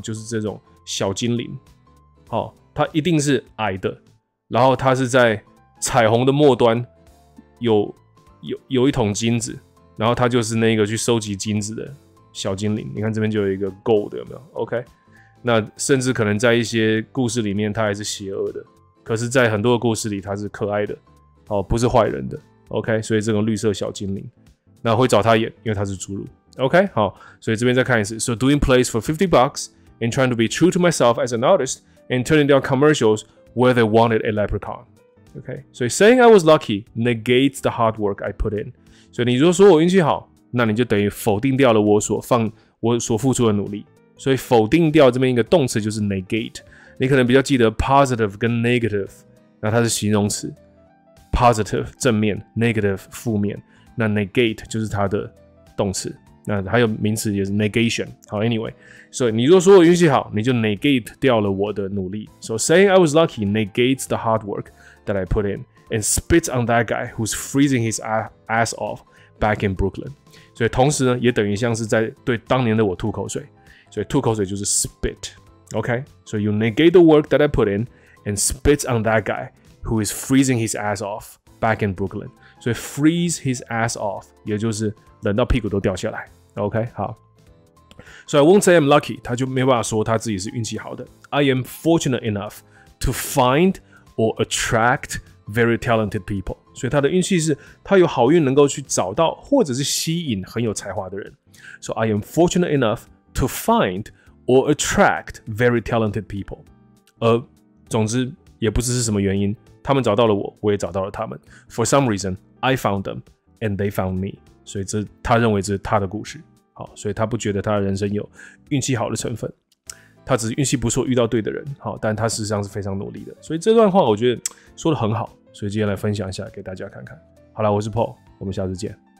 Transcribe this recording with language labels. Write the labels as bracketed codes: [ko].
[zh] 就是这种小精灵，好，他一定是矮的，然后他是在彩虹的末端有一桶金子，然后他就是那个去收集金子的小精灵。你看这边就有一个 gold， 有没有 ？OK， 那甚至可能在一些故事里面他还是邪恶的，可是，在很多的故事里他是可爱的，哦，不是坏人的。 OK， 所以这个绿色小精灵，那会找他演，因为他是侏儒。 [en] OK， [zh] 好，所以这边再看一次。 [en] So doing plays for $50 and trying to be true to myself as an artist and turning down commercials where they wanted a leprechaun。 OK， 所以 saying I was lucky negates the hard work I put in。 [zh] 所以你如果说我运气好，那你就等于否定掉了我所付出的努力。所以否定掉这边一个动词就是 negate。你可能比较记得 positive 跟 negative， 那它是形容词 ，positive 正面 ，negative 负面。那 negate 就是它的动词。那还有名词也是 negation。好 ，anyway， 所以你如果说我运气好，你就 negate 掉了我的努力。 [en] So saying I was lucky negates the hard work that I put in and spits on that guy who's freezing his ass off back in Brooklyn。 [zh] 所以同时呢，也等于像是在对当年的我吐口水。所以吐口水就是 spit。 [en] OK， so you negate the work that I put in and spits on that guy who is freezing his ass off back in Brooklyn。 [zh] 所以 [en] freeze his ass off [zh] 也就是冷到屁股都掉下来。OK， 好。 [en] So I won't say I'm lucky， [zh] 他就没办法说他自己是运气好的。 [en] I am fortunate enough to find or attract very talented people。 [zh] 所以他的运气是他有好运能够去找到或者是吸引很有才华的人。 [en] So I am fortunate enough to find or attract very talented people。 [zh] 而总之也不知是什么原因，他们找到了我，我也找到了他们。 [en] For some reason, I found them and they found me。 [zh] 所以这他认为这是他的故事。好，所以他不觉得他的人生有运气好的成分。他只是运气不错遇到对的人，好，但他事实上是非常努力的。所以这段话我觉得说得很好，所以接下来分享一下给大家看看。好啦，我是 Paul， 我们下次见。